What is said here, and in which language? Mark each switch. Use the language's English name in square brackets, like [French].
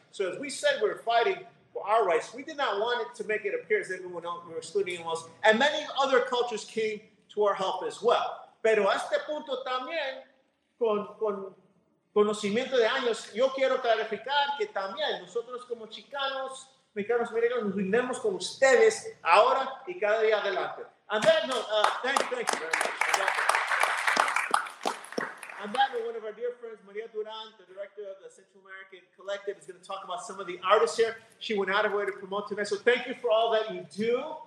[English] So as we said, we were fighting for our rights. We did not want it to make it appear as everyone else, we were excluding anyone else. And many other cultures came to our help as well. [Spanish] Pero a este punto también, con conocimiento de años, yo quiero clarificar que también nosotros como Chicanos, mexicanos americanos, nos unimos con ustedes ahora y cada día adelante. [English] And that note, thank you very much. And that note, one of our dear friends, Maria Duran, the director of the Central American Collective, is going to talk about some of the artists here. She went out of her way to promote tonight. So thank you for all that you do.